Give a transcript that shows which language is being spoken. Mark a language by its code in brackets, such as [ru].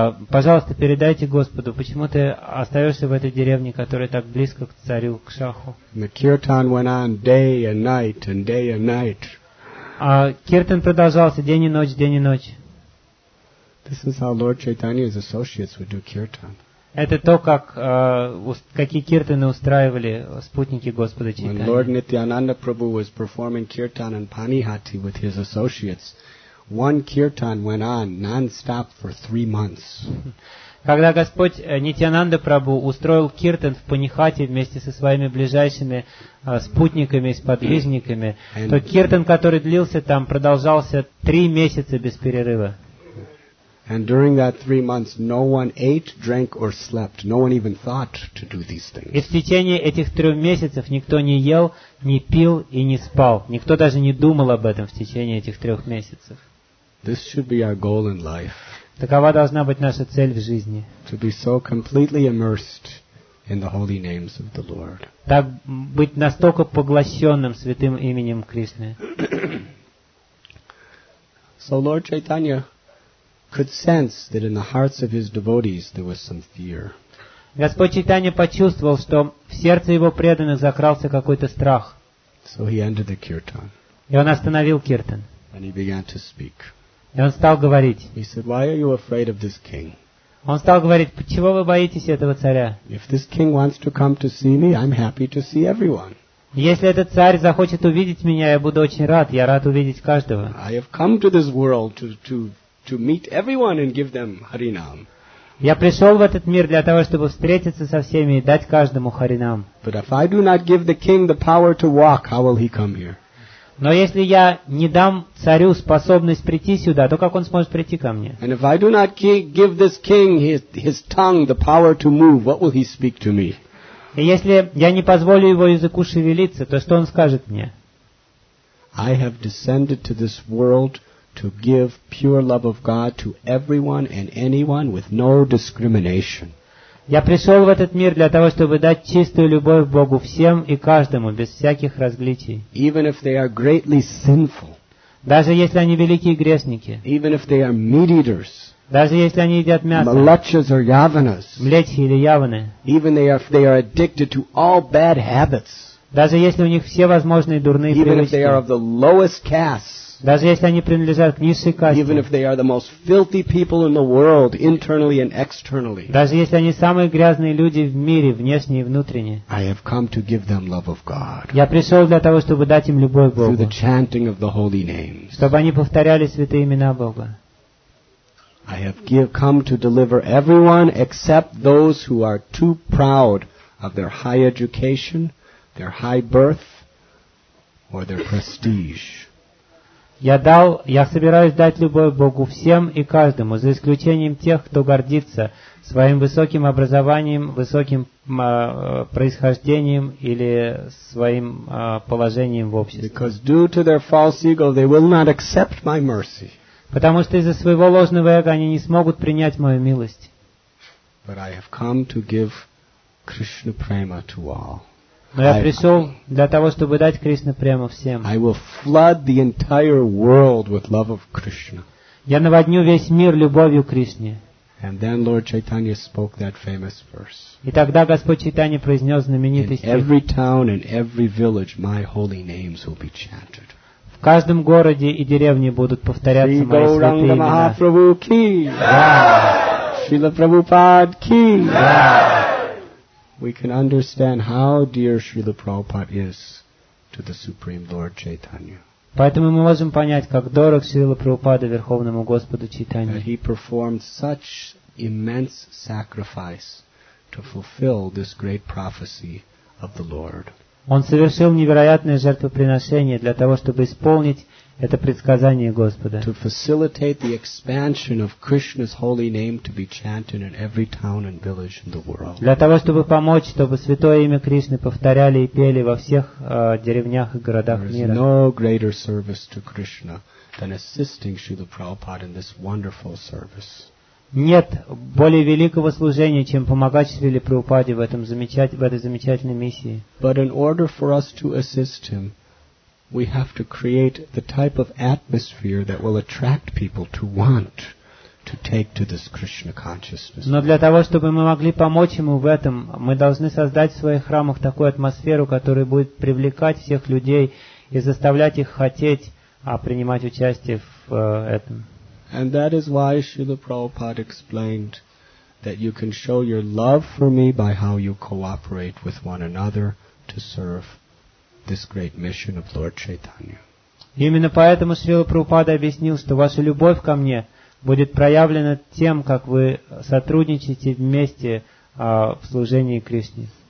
[ru] Пожалуйста, передайте Господу, почему ты остаешься в этой деревне, которая так близко к царю, к Шаху? [en] The kirtan went on day and night and day and night. [ru] Киртан продолжался день и ночь, день и ночь. [en] This is how Lord Chaitanya's associates would do kirtan. [ru] Это то, как, какие киртаны устраивали спутники Господа Чайтаньи. [en] When Lord Nityananda Prabhu was performing kirtan in Panihati with his associates, one kirtan went on non-stop for 3 months. [ru] Когда Господь Нитьянанда Прабху устроил киртан в Панихате вместе со своими ближайшими спутниками и сподвижниками, то киртан, который длился там, продолжался 3 месяца без перерыва. [en] And during that 3 months, no one ate, drank, or slept. No one even thought to do these things. [ru] И в течение этих 3 месяцев никто не ел, не пил и не спал. Никто даже не думал об этом в течение этих 3 месяцев. [en] This should be our goal in life. [ru] Такова должна быть наша цель в жизни. [en] To be so completely immersed in the holy names of the Lord. [ru] Так быть настолько поглощенным святым именем Кришны. [en] So Lord Chaitanya could sense that in the hearts of his devotees there was some fear. [ru] Господь Чайтанья почувствовал, что в сердце его преданных закрался какой-то страх. [en] So he ended the kirtan. [ru] И он остановил киртан. [en] And he began to speak. [ru] И он стал говорить. [en] He said, "Why are you afraid of this king?" [ru] Он стал говорить, почему вы боитесь этого царя? [en] If this king wants to come to see me, I'm happy to see everyone. [ru] Если этот царь захочет увидеть меня, я буду очень рад. Я рад увидеть каждого. [en] I have come to this world to meet everyone and give them Harinam. [ru] Я пришел в этот мир для того, чтобы встретиться со всеми и дать каждому Харинам. [en] But if I do not give the king the power to walk, how will he come here? [ru] Но если я не дам царю способность прийти сюда, то как он сможет прийти ко мне? [en] And if I do not give this king his tongue, the power to move, what will he speak to me? [ru] И если я не позволю его языку шевелиться, то что он скажет мне? [en] I have descended to this world to give pure love of God to everyone and anyone with no discrimination. [ru] Я пришел в этот мир для того, чтобы дать чистую любовь Богу всем и каждому, без всяких различий. [en] Even if they are greatly sinful. [ru] Даже если они великие грешники. [en] Even if they are meat eaters. [ru] Даже если они едят мясо. [en] Malachas or yavanas. [ru] Млечи или яваны. [en] Even if they are addicted to all bad habits. [ru] Даже если у них все возможные дурные [en] Even [ru] привычки. [en] Even if they are of the lowest caste. [ru] Даже если они принадлежат к низшей касте. [en] Even if they are the most filthy people in the world, internally and externally. [ru] Даже если они самые грязные люди в мире, внешне и внутренне. [en] I have come to give them love of God. [ru] Я пришел для того, чтобы дать им любовь Богу. [en] Through the chanting of the holy names. [ru] Чтобы они повторяли святые имена Бога. [en] I have come to deliver everyone except those who are too proud of their high education, their high birth, or their prestige. [ru] Я собираюсь дать любовь Богу всем и каждому, за исключением тех, кто гордится своим высоким образованием, высоким происхождением или своим положением в обществе. [en] Because due to their false ego, they will not accept my mercy. [ru] Потому что из-за своего ложного эго они не смогут принять мою милость. [en] But I have come to give Krishna prema to all. [ru] Но я пришел для того, чтобы дать Кришне прему всем. [en] I will flood the entire world with love of Krishna. [ru] Я наводню весь мир любовью Кришне. [en] And then Lord Chaitanya spoke that famous verse. [ru] И тогда Господь Чайтанья произнес знаменитый стих. [en] In every town and every village, my holy names will be chanted. [ru] В каждом городе и деревне будут повторяться мои святые имена. [hi] Shri Gauranga Mahaprabhu ki. Shrila Prabhupada ki. [en] We can understand how dear Srila Prabhupada is to the Supreme Lord Chaitanya. [ru] Поэтому мы можем понять, как дорог Шрила Прабхупада Верховному Господу Чайтанье. [en] That he performed such immense sacrifice to fulfill this great prophecy of the Lord. [ru] Он совершил невероятное жертвоприношение для того, чтобы исполнить это предсказание Господа. [en] To facilitate the expansion of Krishna's holy name to be chanted in every town and village in the world. [ru] Для того, чтобы помочь, чтобы святое имя Кришны повторяли и пели во всех деревнях и городах мира. [en] There is no greater service to Krishna than assisting Srila Prabhupada in this wonderful service. [ru] Нет более великого служения, чем помогать Шриле Прабхупаде в этом в этой замечательной миссии. [en] But in order for us to assist him, we have to create the type of atmosphere that will attract people to want to take to this Krishna consciousness. [ru] Но для того, чтобы мы могли помочь ему в этом, мы должны создать в своих храмах такую атмосферу, которая будет привлекать всех людей и заставлять их хотеть принимать участие в этом. [en] And that is why Srila Prabhupada explained that you can show your love for me by how you cooperate with one another to serve this great mission of Lord Chaitanya. [ru] Именно поэтому Шрила Прабхупада объяснил, что ваша любовь ко мне будет проявлена тем, как вы сотрудничаете вместе в служении Кришне.